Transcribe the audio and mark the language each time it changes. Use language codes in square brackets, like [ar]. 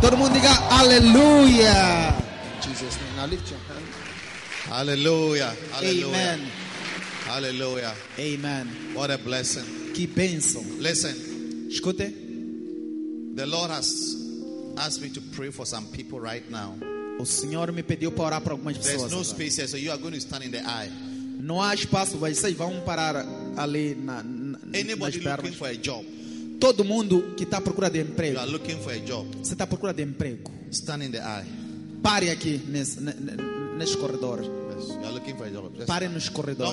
[pt] Todo mundo diga aleluia. [en] Jesus' name. Now lift your hand. Hallelujah. Hallelujah. Amen. Hallelujah. Amen. What a blessing. [pt] Que bênção. [en] Listen. [pt] Escute. [en] The Lord has asked me to pray for some people right now. [pt] O Senhor me pediu para orar para algumas pessoas. [en] There's no space here, so you are going to stand in the aisle. [pt] Não há espaço, vocês vão parar ali na, [en] Anybody [pt] nas pernas. [en] Looking for a job? [pt] Todo mundo que está à procura de emprego. [en] You are looking for a job. [pt] Você está à procura de emprego. [en] Stand in the aisle. [pt] Pare aqui nesse corredor. [en] You are looking for a job. Just [pt] pare [en] stand. [pt] Nos corredores.